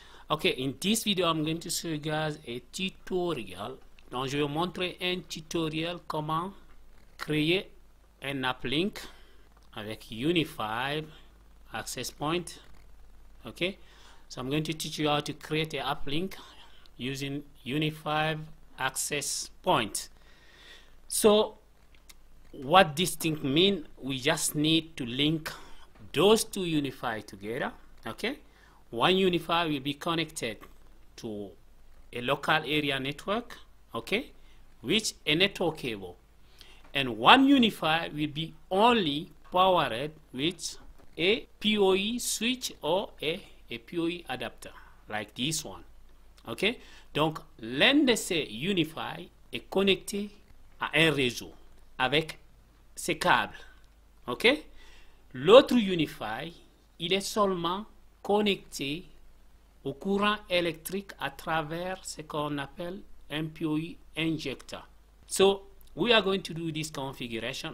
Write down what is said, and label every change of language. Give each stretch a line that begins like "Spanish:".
English: Okay, in this video I'm going to show you guys a tutorial.
French: Donc je vais vous montrer un tutoriel comment créer un uplink avec Unifi Access Point.
English: Okay? So I'm going to teach you how to create an uplink using Unifi Access Point. So what this thing mean? We just need to link those two Unifi together, okay? One Unifi will be connected to a local area network, okay, which a network cable. And one Unifi will be only powered with a PoE switch or a PoE adapter, like this one, okay?
French: Donc, l'un de ces Unifi est connecté à un réseau avec ses câbles, okay? L'autre Unifi, il est seulement connecté au courant électrique à travers ce qu'on appelle un PoE injecteur.
English: So, we are going to do this configuration.